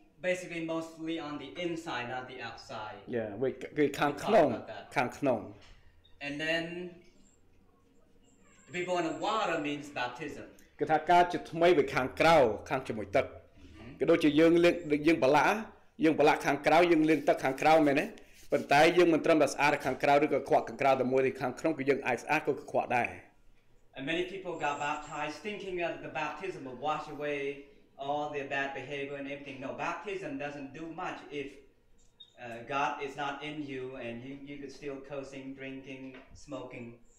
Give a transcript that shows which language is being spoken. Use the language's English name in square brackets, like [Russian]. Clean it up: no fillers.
[English] Basically mostly on the inside not the outside. Yeah, we [Khmer] គឺខាងក្នុងខាងក្នុង [English] And then to be born of water means baptism. [Khmer] គឺថាការជាថ្មីពីខាងក្រៅខាងជាមួយទឹកក៏ដូចជាយើងបលាយើងបលាខាងក្រៅយើងលាងទឹកខាងក្រៅមែនទេប៉ុន្តែយើងមិនត្រឹមតែស្អាតខាងក្រៅឬក៏ខ្វក់ខាងក្រៅតែមួយទេខាងក្នុងគឺយើងអាចស្អាតក៏ខ្វក់ដែរ [English] And many people got baptized thinking that the baptism will wash away all their bad behavior and everything. No, baptism doesn't do much if God is not in you and you could still cursing, drinking, smoking.